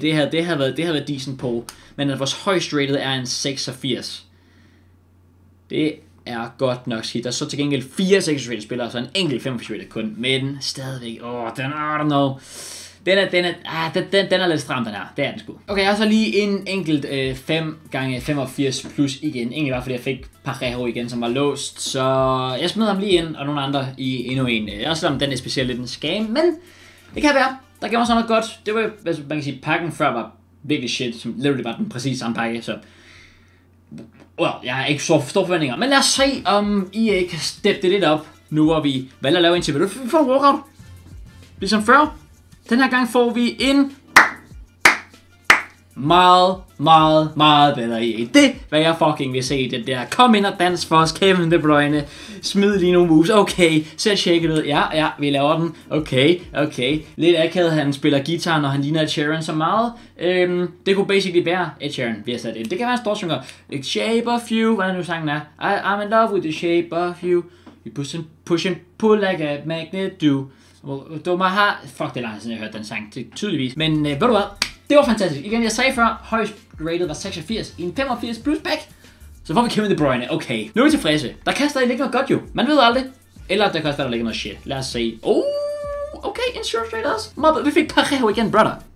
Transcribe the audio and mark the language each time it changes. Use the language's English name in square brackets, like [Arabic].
[Danish] Det havde været decent på. Men at vores højst rated er en 86. Det er godt nok skidt. Der er så til gengæld 4 6-rated spillere, og så en enkelt 5-rated kun. Men stadigvæk, den er, [English] I don't know. [Danish] Den er lidt stram, den her. Det er den sgu. Okay, og så lige en enkelt 5x85+ igen. Egentlig bare fordi jeg fik Parejo igen, som var låst. Så jeg smider ham lige ind, og nogle andre i endnu en. Også selvom den er specielt lidt en scam, men det kan være. Der gav mig sådan noget godt. Det var, hvis man kan sige, pakken før var virkelig shit. Som literally var den præcis samme pakke, så... jeg har ikke så store forventninger, men lad os se, om I kan steppe det lidt op, nu hvor vi valgte at lave en til. Vi får en walkout, ligesom før. Den her gang får vi en meget, meget, meget bedre i. Det, hvad jeg fucking vil se, det der. Kom ind og dans for os, Kevin De Bruyne. Smid lige nogle moves. Okay, så tjekket ud. Ja, ja, vi laver den. Okay, okay. Lidt akavet, han spiller guitar, når han ligner Ed Sheeran så meget. Det kunne basically være Ed Sheeran, vi har sat ind. Det kan være en stor synger. [English] Like shape of you, [Danish] hvad er nu sangen er? [English] I'm in love with the shape of you. You push and push and pull like a magnet do. [Danish] Dummer har... Fuck, det er langt siden, jeg har hørt den sang, tydeligvis. Men ved du hvad? Det var fantastisk. Igen, jeg sagde før, højst rated var 86 i en 85 plus back. Så får vi Kevin De Bruyne. Okay. Nu er vi tilfredse. Der kan stadig ligge noget godt jo. Man ved aldrig. Eller der kan også være, der ligger noget shit. Lad os se. Okay. Insurance rate også. Mother, vi fik Parejo igen, brother.